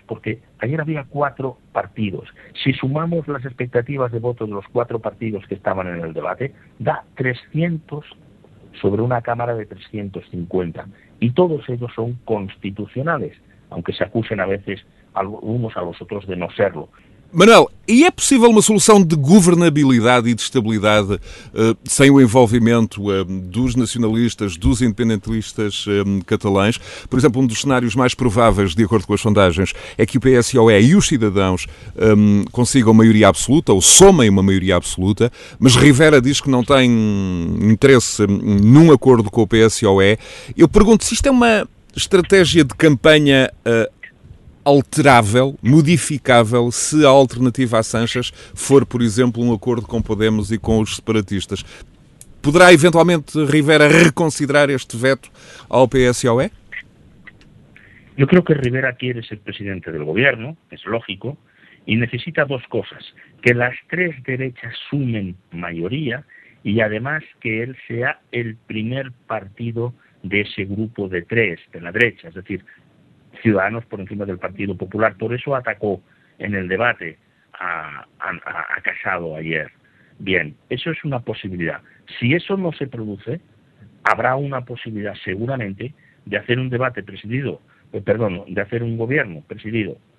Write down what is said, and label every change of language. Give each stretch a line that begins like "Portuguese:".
Spanish: Porque ayer había cuatro partidos. Si sumamos las expectativas de voto de los cuatro partidos que estaban en el debate, da 300 sobre una Cámara de 350. Y todos ellos son constitucionales, aunque se acusen a veces unos a los otros de no serlo.
Portuguese: Manuel, e é possível uma solução de governabilidade e de estabilidade sem o envolvimento dos nacionalistas, dos independentistas catalães? Por exemplo, um dos cenários mais prováveis, de acordo com as sondagens, é que o PSOE e os cidadãos consigam maioria absoluta ou somem uma maioria absoluta, mas Rivera diz que não tem interesse num acordo com o PSOE. Eu pergunto se isto é uma estratégia de campanha alterável, modificável, se a alternativa a Sánchez for, por exemplo, um acordo com Podemos e com os separatistas. Poderá, eventualmente, Rivera reconsiderar este veto ao PSOE? Eu creio que Rivera quer ser presidente do governo, é lógico, e necessita duas coisas. Que as três direitas sumem maioria e, además, que ele seja o primeiro partido desse grupo de três, da direita, é dizer, Ciudadanos
Spanish: por encima del
Portuguese: Partido Popular.
Spanish: Por eso atacó en el debate a Casado ayer. Bien, eso es una posibilidad. Si eso no se produce, habrá una posibilidad seguramente de hacer un debate presidido, perdón, de hacer un gobierno presidido.